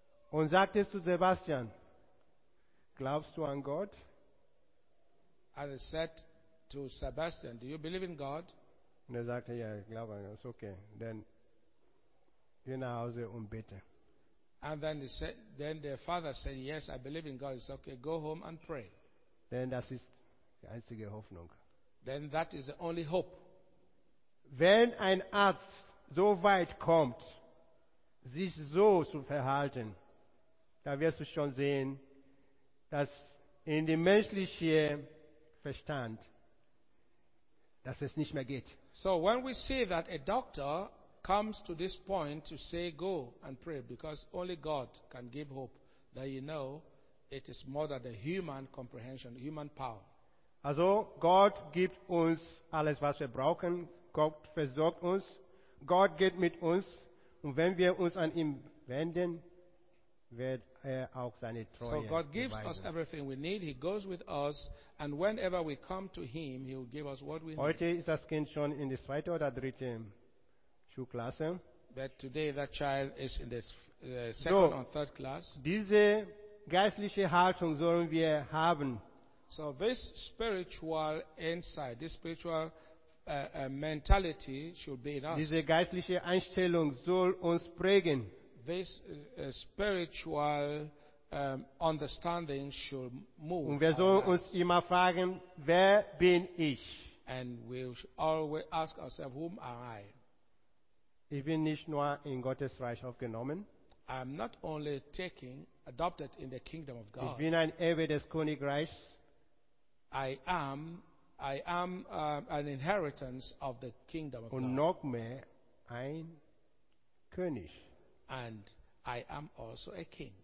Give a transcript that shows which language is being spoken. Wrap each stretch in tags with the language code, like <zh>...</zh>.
<de>Und sagte zu Sebastian, glaubst du an Gott?</de> <en>And they said to Sebastian, do you believe in God?</en> <de>Und sagte, ja, ich glaube an Gott.</de> <en>It's okay.</en> <de>Then geh nach Hause und bete.</de> <en>And then he said, then the father said, yes, I believe in God. It's okay. Go home and pray.</en> <de>Denn das ist die einzige Hoffnung.</de> <en>Then that is the only hope.</en> <de>Wenn ein Arzt so weit kommt, sich so zu verhalten, da wirst du schon sehen, dass in dem menschlichen Verstand, dass es nicht mehr geht.</de> <en>So when we see that a doctor comes to this point to say go and pray, because only God can give hope, that you know, it is more than the human comprehension, human power.</en> <de>Also, Gott gibt uns alles, was wir brauchen. Gott versorgt uns. Gott geht mit uns. Und wenn wir uns an ihn wenden, wird er auch seine Treue beweisen.</de> <en>So, God gives us everything we need. He goes with us. And whenever we come to him, he will give us what we</en> <de>heute</de> <en>need.</en> <de>Heute ist das Kind schon in die zweite oder dritte Schulklasse.</de> <en>But today that child is in the second or third class.</en> <de>Diese geistliche Haltung sollen wir haben.</de> <en>So this spiritual insight, this spiritual mentality should be in us.</en> <de>Diese geistliche Einstellung soll uns prägen.</de> <en>This spiritual understanding should move.</en> <de>Und wir sollen uns immer fragen, wer bin ich?</de> <en>And we should always ask ourselves, whom am I?</en> <de>Ich bin nicht nur in Gottes Reich aufgenommen.</de> <en>I am not only taking, adopted in the kingdom of God.</en> <de>Ich bin ein Erbe des Königreichs.</de> <en>I am an inheritance of the kingdom of</en> <de>und</de> <en>God.</en> <de>Und noch mehr, ein König.</de> <en>And I am also a king.</en>